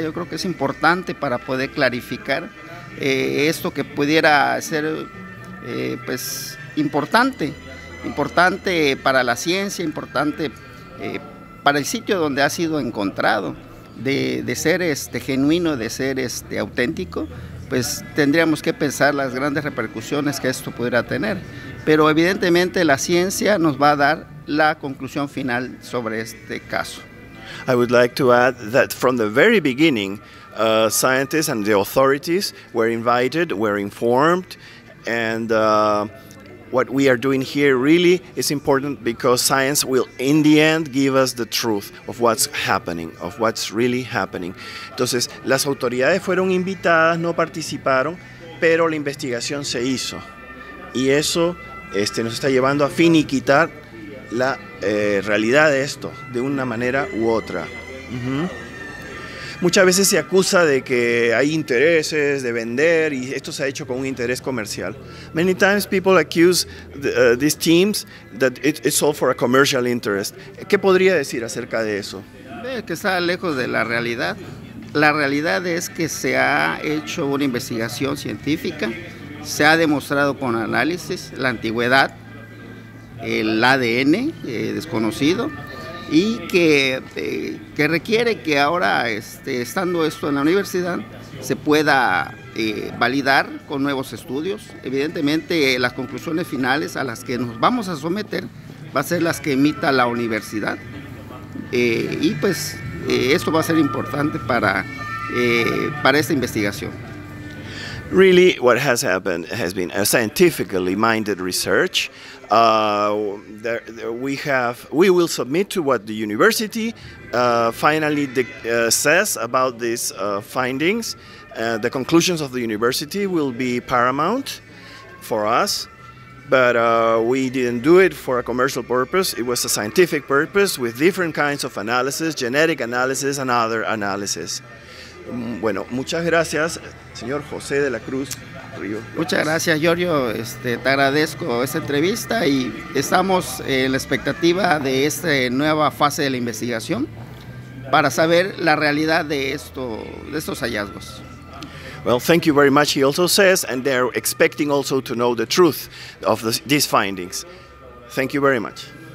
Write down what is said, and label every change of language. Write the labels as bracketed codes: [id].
[es] Yo creo que es importante para poder clarificar esto que pudiera ser pues importante para la ciencia, importante para el sitio donde ha sido encontrado, de ser genuino, de ser auténtico, pues tendríamos que pensar las grandes repercusiones que esto pudiera tener. Pero evidentemente la ciencia nos va a dar la conclusión final sobre este caso. [en] I would like to add that from the very beginning, scientists and the authorities were invited, were informed, and what we are doing here really is important because science will, in the end, give us the truth of what's happening, of what's really happening. [es] Entonces, las autoridades fueron invitadas, no participaron, pero la investigación se hizo. Y eso nos está llevando a finiquitar la realidad de esto, de una manera u otra. Uh-huh. Muchas veces se acusa de que hay intereses de vender, y esto se ha hecho con un interés comercial. [en] Many times people accuse these teams that it's all for a commercial interest. [es] ¿Qué podría decir acerca de eso? Que está lejos de la realidad. La realidad es que se ha hecho una investigación científica, se ha demostrado con análisis la antigüedad, el ADN desconocido, y que requiere que ahora, estando esto en la universidad, se pueda validar con nuevos estudios. Evidentemente, las conclusiones finales a las que nos vamos a someter va a ser las que emita la universidad. Esto va a ser importante para esta investigación. [en] Really, what has happened has been a scientifically minded research. We will submit to what the university finally says about these findings. The conclusions of the university will be paramount for us, but we didn't do it for a commercial purpose. It was a scientific purpose with different kinds of analysis, genetic analysis and other analysis. [es] Bueno, muchas gracias, señor José de la Cruz, Río. Muchas gracias, Giorgio. Te agradezco esta entrevista, y estamos en la expectativa de esta nueva fase de la investigación para saber la realidad de estos hallazgos. [en] Well, thank you very much, he also says, and they're expecting also to know the truth of these findings. Thank you very much.